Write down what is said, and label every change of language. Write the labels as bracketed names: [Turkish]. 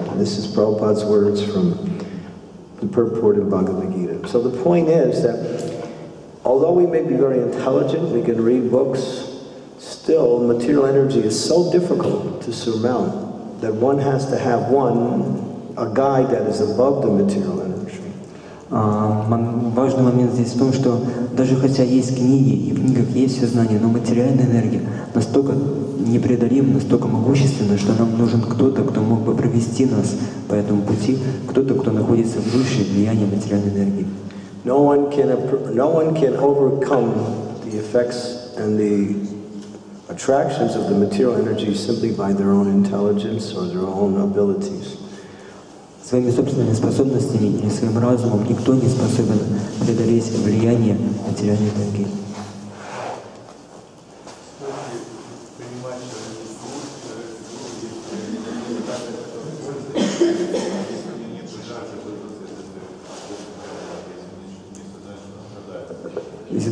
[English] And this is Prabhupada's words from the purported Bhagavad Gita. So the point is that although we may be very intelligent, we can read books, still material energy is so difficult to surmount that one has to have a guide that is above the material energy. [Russian] Важный момент здесь в том, что даже хотя есть книги, и в книгах есть все знания, но материальная энергия настолько непреодолима, настолько могущественна, что нам нужен кто-то, кто мог бы провести нас по этому пути, кто-то, кто находится в высшем влиянии материальной энергии. [English] No one can overcome the effects and the attractions of the material energy simply by their own intelligence or their own abilities. [Russian] Своими собственными способностями или своим разумом никто не способен преодолеть влияние материальной энергии. Стоит ли понимать, что это есть гуру, если нет гуру, если нет желания обладать материальной энергией?